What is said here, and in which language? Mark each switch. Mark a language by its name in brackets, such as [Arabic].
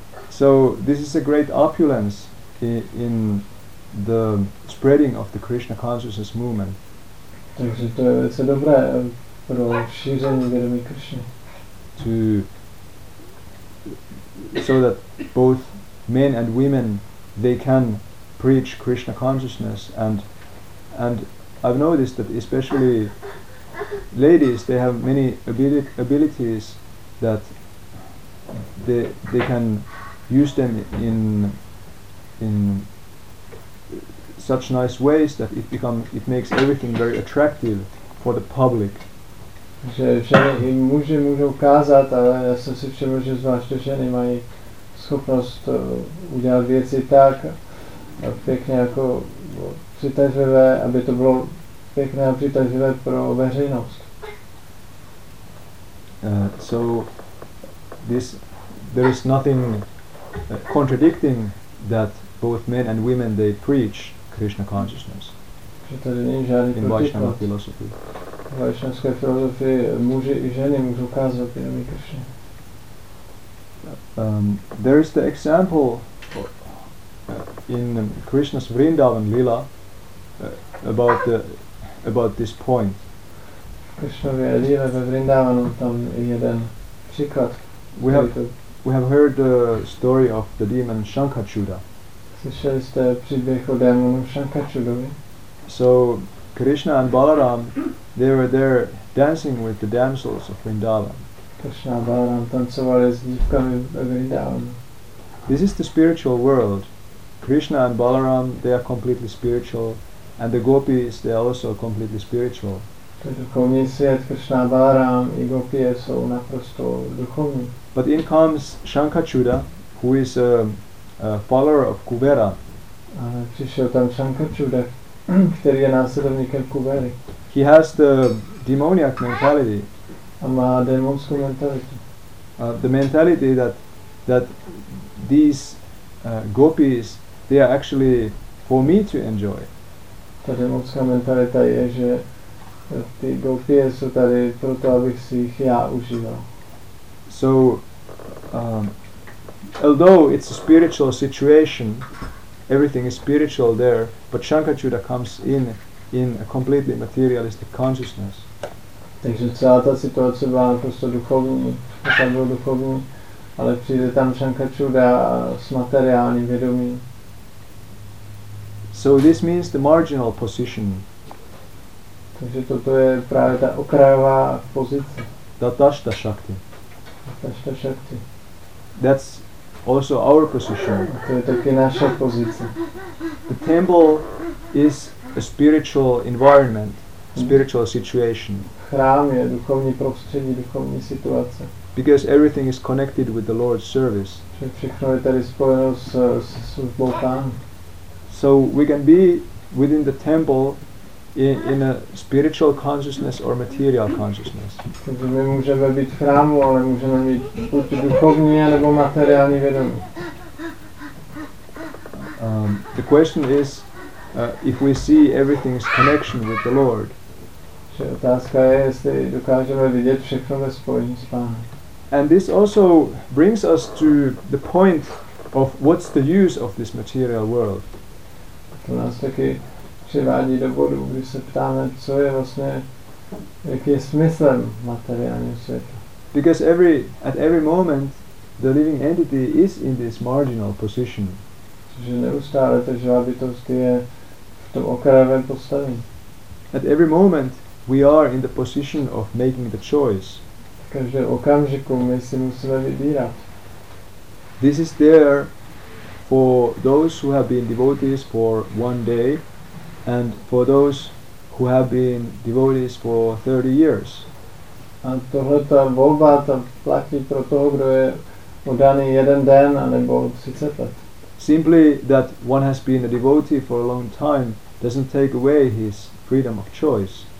[English] So this is a great opulence in the spreading of the Krishna consciousness movement. [Czech] Takže to je velice dobré pro šíření vědomí Krishny. [English] So that both men and women, they can preach Krishna consciousness, and I've noticed that especially ladies, they have many abilities that they can use them in such nice ways that it makes everything very attractive for the public. [Czech] Že ženy i muži můžou kázat, ale já jsem si všiml, že zvláště ženy mají schopnost udělat věci tak pěkně jako přitažlivé, aby to bylo pěkné a přitažlivé pro veřejnost. [English] So this, there is nothing contradicting that both men and women they preach Krishna consciousness. [Czech] Že tady není žádný protiklad. Vaishnavské filozofie muži i ženy můžou kázat jenom i Krishna. [English] There is the example in Krishna's Vrindavan Lila about this point. [Czech] Krishnavi Lila ve Vrindavanu tam jeden příklad. [English] We have heard the story of the demon Shankachuda. [Czech] Slyšeli jste příběh o démonu Shankachudovi? [English] So Krishna and Balaram, they were there dancing with the damsels of Vrindavan. [Czech] Krishna and Balaram tancovali s dívkami ve Vrindavanu. [English] This is the spiritual world. Krishna and Balaram, they are completely spiritual, and the gopis, they are also completely spiritual. [Czech] To je duchovní svět, Krishna a Balaram i gopie jsou naprosto duchovní. [English] But in comes Shankachuda, who is a follower of Kubera. [Czech] Ale přišel tam Shankachuda, který je následovníkem Kubery. [English] He has the demoniac mentality. [Czech] A má démonskou mentalitu. [English] The mentality that these gopis, they are actually for me to enjoy. [Czech] Ta démonská mentalita je, že ty gopie jsou tady proto, abych si jich já užíval. [English] So, although it's a spiritual situation, everything is spiritual there, but Shankachuda comes in a completely materialistic consciousness. [Czech] Takže celá ta situace byla prostě duchovní, tam byl duchovní, ale přijde tam Shankachuda s materiálním vědomím. [English] So this means the marginal position. [Czech] Takže toto je právě ta okrajová pozice. [Sanskrit] Tatashta Shakti. Tatashta Shakti. [English] That's also our position. [Czech] To je taky naše pozice. [English] The temple is a spiritual environment, spiritual situation. [Czech] Chrám je duchovní prostředí, duchovní situace. [English] Because everything is connected with the Lord's service. [Czech] Všechno je tady spojeno s službou Pána. [English] So we can be within the temple in a spiritual consciousness or material consciousness. [Czech] Takže my můžeme být v chrámu, ale můžeme mít buď duchovní nebo materiální vědomí. [English] The question is, if we see everything's connection with the Lord. [Czech] Že otázka je, jestli dokážeme vidět všechno ve spojení s Pánem. [English] And this also brings us to the point of what's the use of this material world. [Czech] To nás taky přivádí do bodu, když se ptáme, co je vlastně, jaký je smyslem materiálního světa. [English] Because at every moment the living entity is in this marginal position. [Czech] Že neustále ta živá bytost je v tom okrajovém postavení. [English] At every moment we are in the position of making the choice. [Czech] V každém okamžiku my si musíme vybírat. [English] This is there for those who have been devotees for one day and for those who have been devotees for 30 years. [Czech] A tohleta volba ta platí pro toho, kdo je oddaný jeden den anebo 30 let. [English] Simply that one has been a devotee for a long time doesn't take away his freedom of choice.